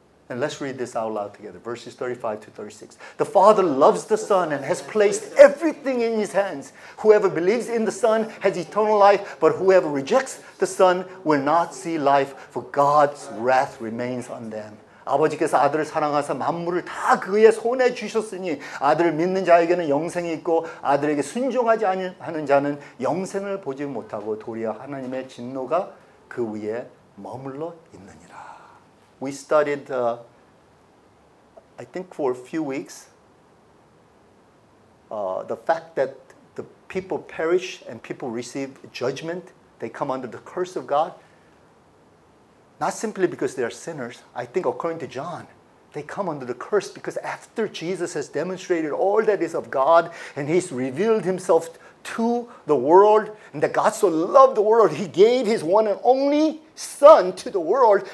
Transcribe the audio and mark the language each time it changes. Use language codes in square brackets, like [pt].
[en] And let's read this out loud together, verses 35 to 36. The Father loves the Son and has placed everything in His hands. Whoever believes in the Son has eternal life, but whoever rejects the Son will not see life, for God's wrath remains on them. [ko] 아버지께서 아들을 사랑하사 만물을 다 그의 손에 주셨으니 아들을 믿는 자에게는 영생이 있고 아들에게 순종하지 않는 자는 영생을 보지 못하고 도리어 하나님의 진노가 그 위에 머물러 있느니라. [en] We studied, I think for a few weeks, the fact that the people perish and people receive judgment, they come under the curse of God. Not simply because they are sinners. I think according to John, they come under the curse because after Jesus has demonstrated all that is of God and He's revealed Himself to the world, and that God so loved the world, He gave His one and only Son to the world.